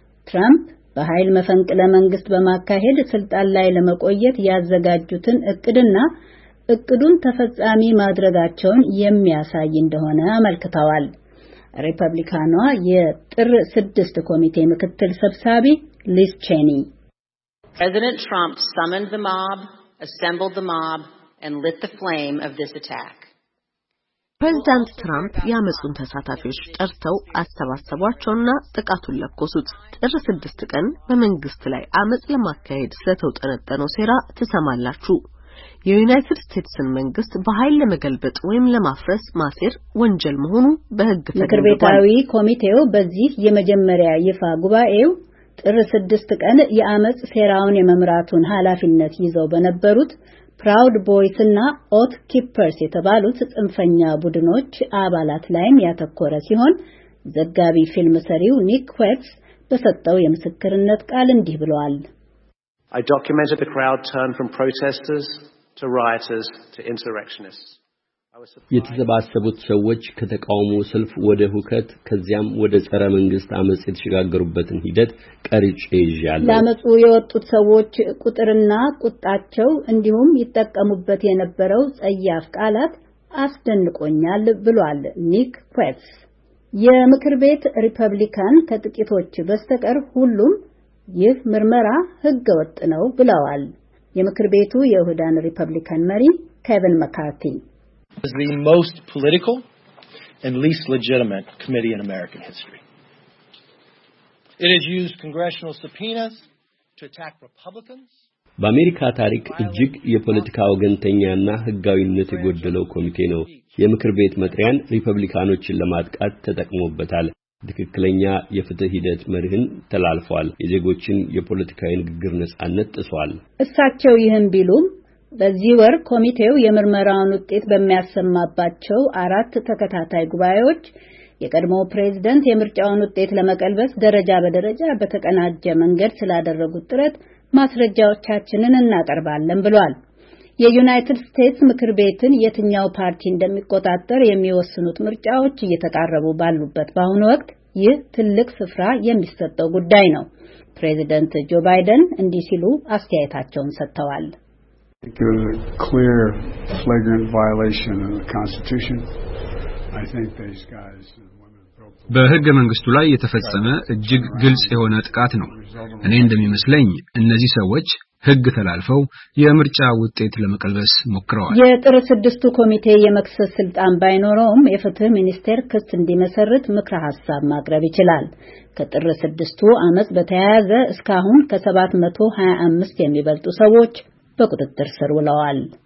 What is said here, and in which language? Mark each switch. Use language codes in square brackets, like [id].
[am] ትራምፕ በኃይል መፈንቅለ መንግስት በማካሄድ ስልጣን ላይ ለመቆየት ያዘጋጁትን እቅድና እቅዱን ተፈጻሚ ማድረጋቸውን የሚያሳይ እንደሆነ አመልክተዋል። ሪፐብሊካኗ የጥር 6 ኮሚቴ ምክትል ሰብሳቢ ሊስ ቼኒ [en] President Trump summoned the mob, assembled the mob and lit the flame of this attack. [am] President Trump ያመጹን ተሳታፊዎች ጠርተው አስተባባቸውና ጥቃቱን ለኮሱት ጥር 6 ቀን በመንግስት ላይ አመጽ ለማካሄድ ስለተውጠነጠነው ሴራ ተሰማላችሁ። የዩናይትድ ስቴትስ መንግስት በኃይል ለመገልበጥ ወይም ለማፍረስ ማሰር ወንጀል መሆኑ በሕግ ተገልጿል። ምክር ቤታዊ ኮሚቴው በዚህ የመጀመሪያ ይፋ ጉባኤው ጥር 6 ቀን የአመጽ ሴራውን የመምራቱን ኃላፊነት ይዘው በነበሩት ፕራውድ ቦይስ እና ኦት ኪፐርስ የተባሉት ጽንፈኛ ቡድኖች አባላት ላይም ያተኮረ ሲሆን ዘጋቢ ፊልም ሰሪው ኒክ ዌብስ በሰጠው የምስክርነት ቃል እንዲህ ብለዋል። [en] I documented the crowd turn from protesters to rioters to insurrectionists. [am] የተሰባሰቡት ሰዎች ከተቃውሞ ሰልፍ ወደ ሁከት ከዚያም ወደ ጸረ መንግስት አመጽ የተሸጋገሩበትን ሂደት ቀርጬ ይዣለሁ። ለአመጹ የወጡት ሰዎች ቁጥርና ቁጣቸው እንዲሁም ይጠቀሙበት የነበረው ጸያፍ ቃላት አስደንቆኛል ብሏል ኒክ ዌብስ። የምክር ቤት ሪፐብሊካን ከጥቂቶች በስተቀር ሁሉም ይህ ምርመራ ህገ ወጥ ነው ብለዋል። የምክር ቤቱ የይሁዳን ሪፐብሊካን መሪ ኬቪን መካርቲ [en] is the most political and least legitimate committee in American history. It has used congressional subpoenas to attack Republicans. [am] በአሜሪካ ታሪክ እጅግ የፖለቲካ ወገንተኛና ህጋዊነት የጎደለው ኮሚቴ ነው። የምክር ቤት መጥሪያን ሪፐብሊካኖችን ለማጥቃት ተጠቅሞበታል። ትክክለኛ የፍትህ ሂደት መርህን ተላልፏል። የዜጎችን የፖለቲካ ንግግር ነጻነት ጥሷል። እሳቸው ይህን ቢሉም በዚህ ወር ኮሚቴው የምርመራውን ውጤት በሚያሰማባቸው አራት ተከታታይ ጉባኤዎች የቀድሞ ፕሬዝዳንት የምርጫውን ውጤት ለመቀልበስ ደረጃ በደረጃ በተቀናጀ መንገድ ስላደረጉት ጥረት ማስረጃዎቻችንን እናቀርባለን ብሏል። የዩናይትድ ስቴትስ ምክር ቤትን የትኛው ፓርቲ እንደሚቆጣጠር የሚወስኑት ምርጫዎች እየተቃረቡ ባሉበት በአሁኑ ወቅት ይህ ትልቅ ስፍራ የሚሰጠው ጉዳይ ነው። ፕሬዝዳንት ጆ ባይደን እንዲህ ሲሉ አስተያየታቸውን ሰጥተዋል። [en] It was a clear flagrant violation of the constitution. I think these guys [am] በህገ መንግስቱ ላይ የተፈጸመ እጅግ ግልጽ የሆነ ጥቃት ነው። እኔ እንደሚመስለኝ እነዚህ ሰዎች ህግ ተላልፈው የምርጫ ውጤት ለመቀልበስ ሞክረዋል። የጥር 6ቱ ኮሚቴ የመክሰስ ስልጣን ባይኖረውም የፍትህ ሚኒስቴር ክስ እንዲመሰርት ምክረ ሐሳብ ማቅረብ ይችላል። ከጥር 6ቱ አመጽ በተያያዘ እስካሁን ከ725 የሚበልጡ ሰዎች በቁጥጥር ስር ውለዋል።